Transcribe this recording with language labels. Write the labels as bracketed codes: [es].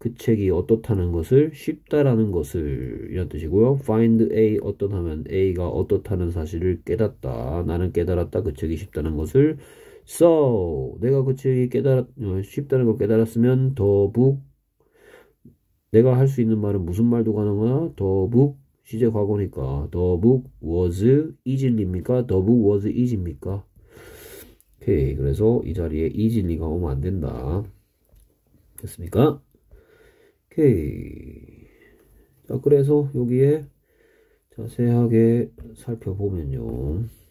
[ko] 그 책이 어떻다는 것을, 쉽다라는 것을, 이런 뜻이고요. find a 어떤 하면 a가 어떻다는 사실을 깨닫다. 나는 깨달았다. 그 책이 쉽다는 것을. So, 내가 그 책이 쉽다는 걸 깨달았으면 [en] the book. [ko] 내가 할수 있는 말은 무슨 말도 가능하나? [en] the book. [ko] 시제 과거니까 [en] the book was easily입니까? the book was easy입니까? [ko] 오케이. 그래서 이 자리에 easily가 오면 안 된다. 됐습니까? 오케이. 자, 그래서 여기에 자세하게 살펴보면요.